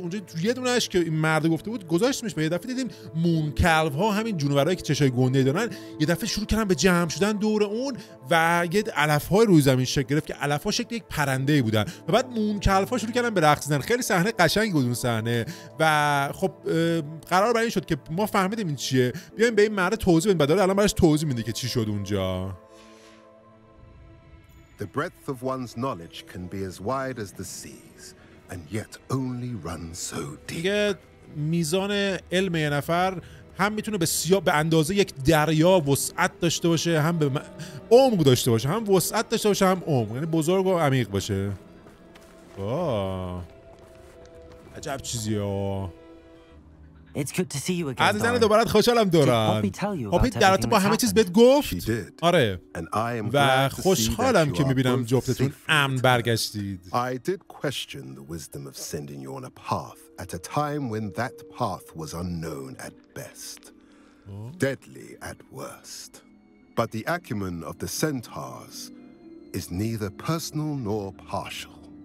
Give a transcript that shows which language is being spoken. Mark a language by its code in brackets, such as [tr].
[fa] اونجا یه دونه‌اش که این مرد گفته بود گذاشتمش. به یه دفعه دیدیم مون کلوها، همین جونورایی که چشای گنده دارن، یه دفعه شروع کردن به جمع شدن دور اون و یه علف‌های روی زمین شکل گرفت که علف‌ها شکل یک پرنده‌ای بودن و بعد مون کلوها شروع کردن به رقصیدن. خیلی صحنه قشنگ بود اون صحنه. و خب قرار بر این شد که ما فهمیدیم این چیه. بیایم به این مرد توضیح بدیم. بعدا الان براش توضیح میده که چی شد اونجا. [en] The breadth of one's knowledge can be as wide as the seas and yet only run so deep. [fa] میزان علم یه نفر هم میتونه بسیار به اندازه یک دریا وسعت داشته باشه، هم به عمق داشته باشه، هم وسعت داشته باشه هم عمق، یعنی بزرگ و عمیق باشه. آه عجب چیزی. آه عزیزن دوباره خوشحالم دوران. پاپی درات با همه چیز بهت گفت؟ آره. و خوشحالم که میبینم جفتتون امن برگشتید. [en] I did question the wisdom of sending you on a path at a time when that path was unknown at best. Deadly at worst. But the acumen of the centaurs is neither personal nor partial.